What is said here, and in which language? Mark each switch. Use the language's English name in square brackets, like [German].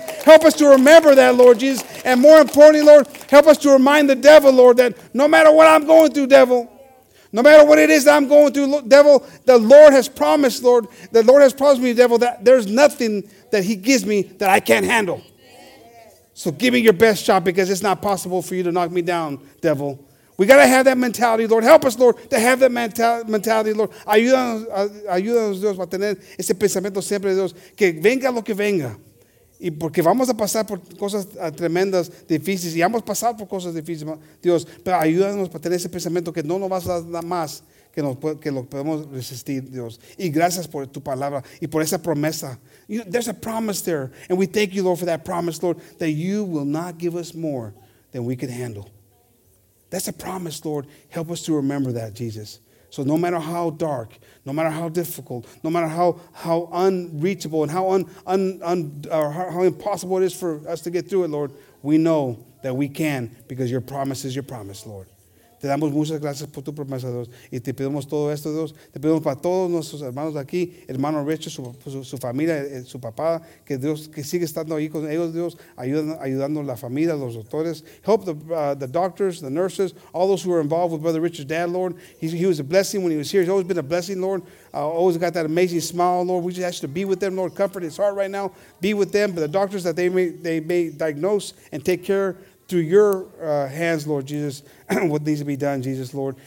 [English] Help us to remember that, Lord Jesus. And more importantly, Lord, help us to remind the devil, Lord, that no matter what I'm going through, devil, no matter what it is that I'm going through, devil, the Lord has promised me, devil, that there's nothing that he gives me that I can't handle. So give me your best shot, because it's not possible for you to knock me down, devil. We got to have that mentality, Lord. Help us, Lord, to have that mentality, Lord. [Spanish] Ayúdanos, Dios, para tener ese pensamiento siempre de Dios. Que venga lo que venga. Y porque vamos a pasar por cosas tremendas, difíciles, y hemos pasado por cosas difíciles, Dios, pero ayúdanos para tener ese pensamiento que no nos vas a dar nada más que lo podemos resistir, Dios. Y gracias por tu palabra y por esa promesa. [English] You know, there's a promise there, and we thank you, Lord, for that promise, Lord, that you will not give us more than we can handle. That's a promise, Lord. Help us to remember that, Jesus. So no matter how dark, no matter how difficult, no matter how unreachable and how impossible it is for us to get through it, Lord, we know that we can, because your promise is your promise, Lord. [Spanish] Te damos muchas gracias por tu promesa, Dios. Y te pedimos todo esto, Dios. Te pedimos para todos nuestros hermanos aquí, hermano Richard, su familia, su papá, que Dios que sigue estando ahí con ellos, Dios, ayudando a la familia, los doctores. [English] Help the doctors, the nurses, all those who are involved with Brother Richard's dad, Lord. He was a blessing when he was here. He's always been a blessing, Lord. Always got that amazing smile, Lord. We just ask you to be with them, Lord. Comfort his heart right now. Be with them. But the doctors that they may diagnose and take care of, through your hands, Lord Jesus, what needs to be done, Jesus, Lord.